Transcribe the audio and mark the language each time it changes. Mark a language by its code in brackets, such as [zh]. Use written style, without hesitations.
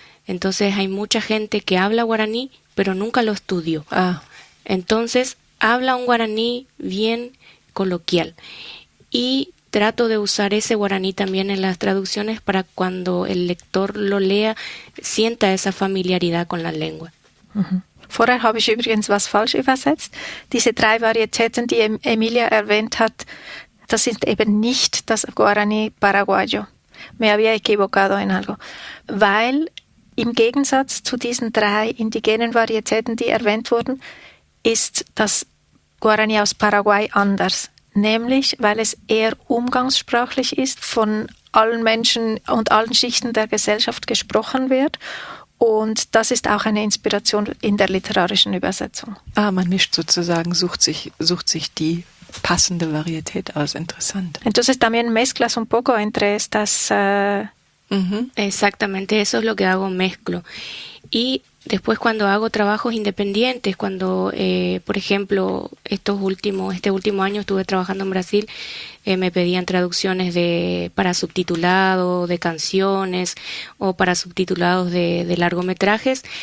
[es] Entonces hay mucha gente que habla guaraní, pero nunca lo estudió. Entonces habla un guaraní bien coloquial. Y trato de usar ese guaraní también en las traducciones para cuando el lector lo lea, sienta esa familiaridad con la lengua. Uh-huh. [de] Vorher habe ich übrigens was falsch übersetzt. Diese 3 Varietäten, die Emilia erwähnt hat, das ist eben nicht das Guaraní paraguayo. [es] Me había equivocado en algo. [de] Weil im Gegensatz zu diesen 3 indigenen Varietäten, die erwähnt wurden, ist das Guaraní aus Paraguay anders. Nämlich, weil es eher umgangssprachlich ist, von allen Menschen und allen Schichten der Gesellschaft gesprochen wird. Und das ist auch eine Inspiration in der literarischen Übersetzung. Ah, man mischt sozusagen, sucht sich die passende Varietät aus. Interessant. [es] Entonces también mezclas un poco entre estas... Exactamente, eso es lo que hago, mezclo. Y Después, cuando hago trabajos independientes, cuando, por ejemplo, este último año estuve trabajando en Brasil, me pedían traducciones para subtitulado de canciones o para subtitulados de largometrajes.